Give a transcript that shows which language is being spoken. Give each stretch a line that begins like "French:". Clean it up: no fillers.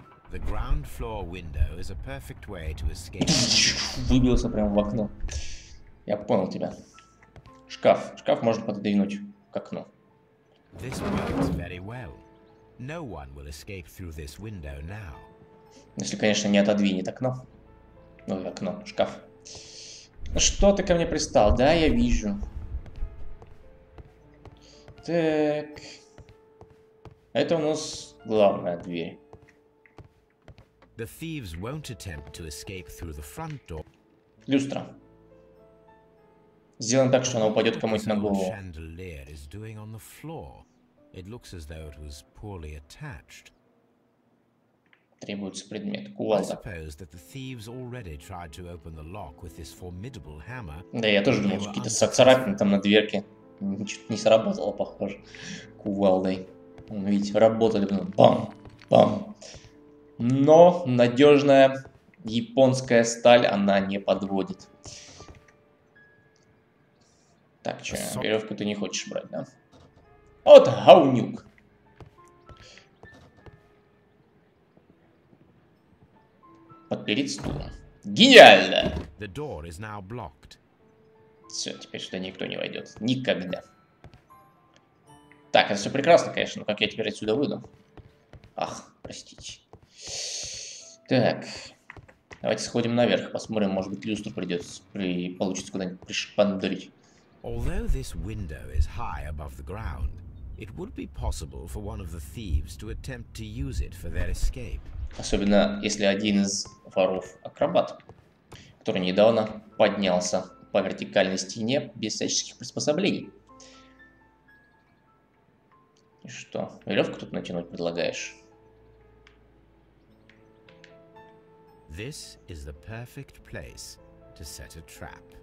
English: The ground floor window is a perfect way to escape.
Russian: Выбился прямо в окно. Я понял тебя. Шкаф. Шкаф можно пододвинуть к окну.
English: This works very well. No one will escape through this window now.
Russian: Если, конечно, не отодвинет окно. Ну, окно, шкаф. Что ты ко мне пристал? Да, я вижу. Так. Это у нас главная дверь.
English: The thieves won't attempt to escape through the front door.
Russian: Люстра. Сделан так, что она упадет кому-нибудь на голову.
English: Chandelier is doing on the floor. It looks as though it was poorly attached.
Russian: Требуется предмет.
English: Кувалда. I suppose that the thieves already tried to open the lock with this formidable hammer.
Russian: Да, я тоже думал, что какие-то царапины там на дверке. Ничего не сработало, похоже. Кувалдой. Он ведь работали, блин. Бам! Бам! Но надежная японская сталь, она не подводит. Так, че, веревку ты не хочешь брать, да? Вот гаунюк. Подпереть стул. Гениально!
English: The door is now blocked.
Russian: Все, теперь сюда никто не войдет. Никогда. Так, это все прекрасно, конечно, но как я теперь отсюда выйду? Ах, простите. Так. Давайте сходим наверх, посмотрим, может быть, люстру получится куда-нибудь пришпандрить.
English: Although this window is high above the ground, it would be possible for one of the thieves to attempt to use it for their escape.
Russian: Особенно, если один из воров акробат, который недавно поднялся по вертикальной стене без всяческих приспособлений. И что, веревку тут натянуть предлагаешь?
English: This is the perfect place to set a trap.